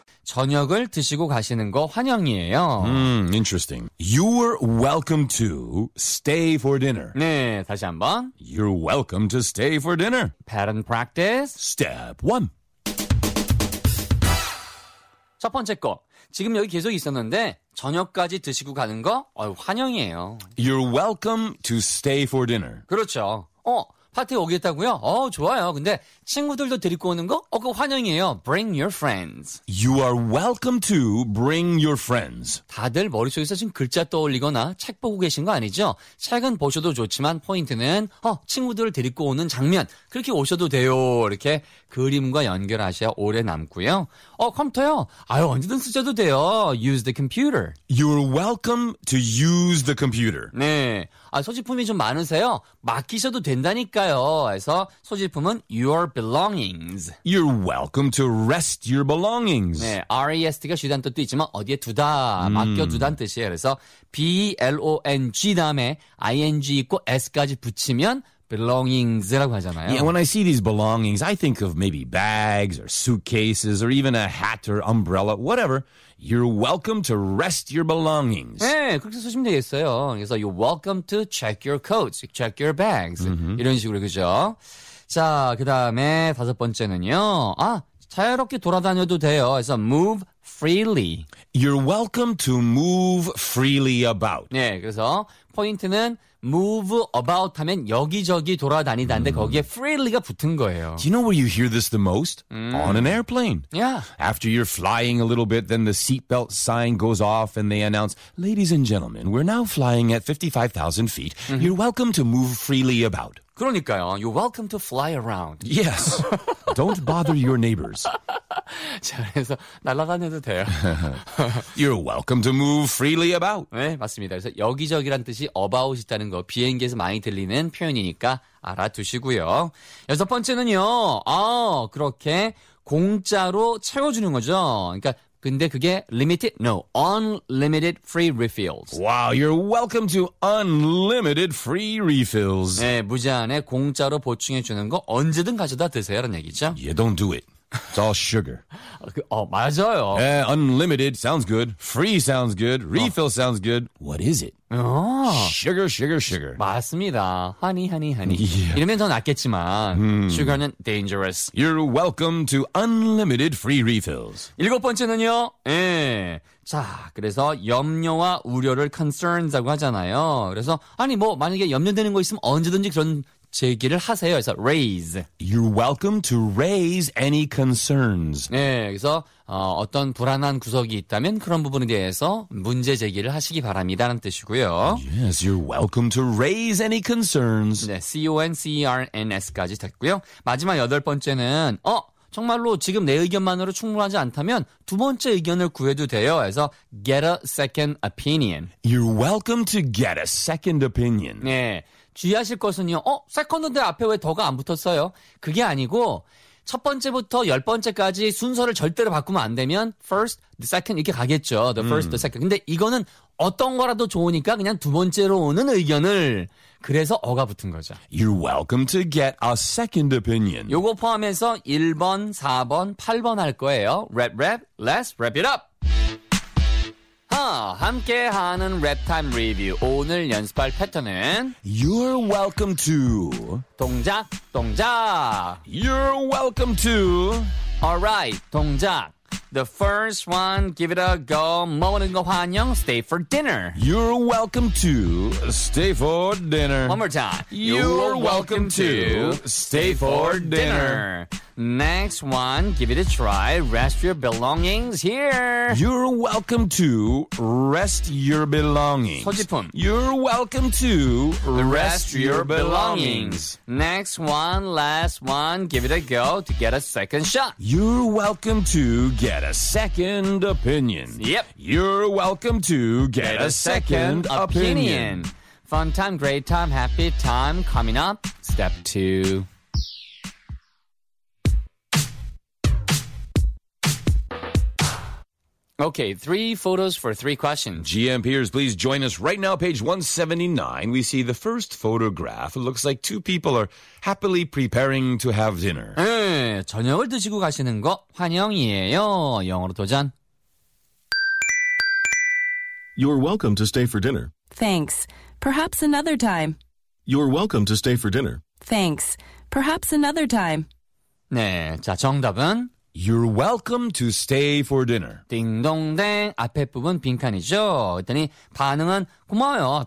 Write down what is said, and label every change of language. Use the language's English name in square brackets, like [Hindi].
[Korean] 저녁을 드시고 가시는 거 환영이에요. [English] Interesting. You're welcome to stay for dinner. [Korean] 네, 다시 한번. [English] You're welcome to stay for dinner. Pattern practice. Step 1. [Korean] 첫 번째 거. 지금 여기 계속 있었는데 저녁까지 드시고 가는 거 환영이에요. [English] You're welcome to stay for dinner. [Korean] 그렇죠. 파티 오겠다고요? 좋아요. 근데 친구들도 데리고 오는 거? 그거 환영이에요. [English] Bring your friends. You are welcome to bring your friends. [Korean] 다들 머릿속에서 지금 글자 떠올리거나 책 보고 계신 거 아니죠? 책은 보셔도 좋지만 포인트는 친구들을 데리고 오는 장면. 그렇게 오셔도 돼요. 이렇게 그림과 연결하셔야 오래 남고요. 컴퓨터요? 언제든 쓰셔도 돼요. [English] Use the computer. You're welcome to use the computer. [Korean] 네. 소지품이 좀 많으세요? 맡기셔도 된다니까요. 그래서 소지품은 [English] your belongings. You're welcome to rest your belongings. [Korean] 네, rest가 쉬다는 뜻도 있지만 어디에 두다, 맡겨두다는 뜻이에요. 그래서 b-l-o-n-g 다음에 ing 있고 s까지 붙이면 belongings라고 하잖아요. [English] Yeah, when I see these belongings, I think of maybe bags or suitcases or even a hat or umbrella, whatever. You're welcome to rest your belongings. [Korean] 네, 그렇게 쓰시면 되겠어요. [English] 그래서 you're welcome to check your coats, check your bags. [Korean] Mm-hmm. 이런 식으로, 그죠? 자, 그 다음에 다섯 번째는요. 자유롭게 돌아다녀도 돼요. [English] 그래서 move freely. You're welcome to move freely about. [Korean] 네, 그래서 포인트는 move about 하면 여기저기 돌아다니다인데 거기에 freely가 붙은 거예요. [English] Do you know where you hear this the most? On an airplane. Yeah. After you're flying a little bit, then the seatbelt sign goes off and they announce, ladies and gentlemen, we're now flying at 55,000 feet. You're welcome to move freely about. [Korean] 그러니까요. [English] You're welcome to fly around. Yes. Don't bother your neighbors. [Korean] 자, 그래서 날아다녀도 돼요. [English] You're welcome to move freely about. [Korean] 네, 맞습니다. 그래서 여기저기란 뜻이 about 있다는 거 비행기에서 많이 들리는 표현이니까 알아두시고요. 여섯 번째는요. 그렇게 공짜로 채워주는 거죠. 그러니까 근데 그게 limited? [English] No, unlimited free refills. Wow, you're welcome to unlimited free refills. [Korean] 네, 무제한에 공짜로 보충해 주는 거 언제든 가져다 드세요, 라는 얘기죠. [English] Yeah, don't do it. It's all sugar. [Korean] 맞아요. [English] Yeah, unlimited sounds good. Free sounds good. Refill sounds good. What is it? Sugar, sugar, sugar. [Korean] 맞습니다. [English] Honey, honey, honey. Yeah. [Korean] 이러면 더 낫겠지만 sugar는 dangerous. [English] You're welcome to unlimited free refills. [Korean] 일곱 번째는요. 예. 자, 그래서 염려와 우려를 concerns라고 하잖아요. 그래서 만약에 염려되는 거 있으면 언제든지 그런 제기를 하세요. [English] 그래서 raise. You're welcome to raise any concerns. [Korean] 네, 그래서 어떤 불안한 구석이 있다면 그런 부분에 대해서 문제 제기를 하시기 바랍니다. 라는 뜻이고요. [English] Yes, you're welcome to raise any concerns. [Korean] 네, concerns까지 됐고요. 마지막 여덟 번째는 정말로 지금 내 의견만으로 충분하지 않다면 두 번째 의견을 구해도 돼요. [English] 그래서 get a second opinion. You're welcome to get a second opinion. [Korean] 네. 주의하실 것은요. 세컨드인데 앞에 왜 더가 안 붙었어요? 그게 아니고 첫 번째부터 열 번째까지 순서를 절대로 바꾸면 안 되면 [English] first, the second [Korean] 이렇게 가겠죠. [English] The first, the second. [Korean] 근데 이거는 어떤 거라도 좋으니까 그냥 두 번째로 오는 의견을 그래서 어가 붙은 거죠. [English] You're welcome to get a second opinion. [Korean] 요거 포함해서 1번, 4번, 8번 할 거예요. [English] Rap, rap, let's wrap it up. [Korean] 함께하는 랩타임 리뷰. 오늘 연습할 패턴은 [English] You're welcome to [Korean] 동작, 동작. [English] You're welcome to [Korean] Alright, 동작. [English] The first one, give it a go. [Korean] 먹는 거 환영, [English] stay for dinner. You're welcome to stay for dinner. One more time. You're welcome to stay for dinner. Next one, give it a try. Rest your belongings here. You're welcome to rest your belongings. [Korean] 소지품. [English] You're welcome to rest your belongings. Next one, last one, give it a go to get a second shot. You're welcome to get a second opinion. Yep. You're welcome to get a second opinion. Fun time, great time, happy time. Coming up, step two. Okay, three photos for three questions. GM Peters, please join us right now. Page 179, we see the first photograph. It looks like two people are happily preparing to have dinner. [Korean] 네, 저녁을 드시고 가시는 거 환영이에요. 영어로 도전. [English] You're welcome to stay for dinner. Thanks. Perhaps another time. You're welcome to stay for dinner. Thanks. Perhaps another time. [Korean] 네, 자, 정답은? [English] You're welcome to stay for dinner. [Korean] 띵동댕 앞에 부분 빈칸이죠. 그랬더니 반응은 고마워요.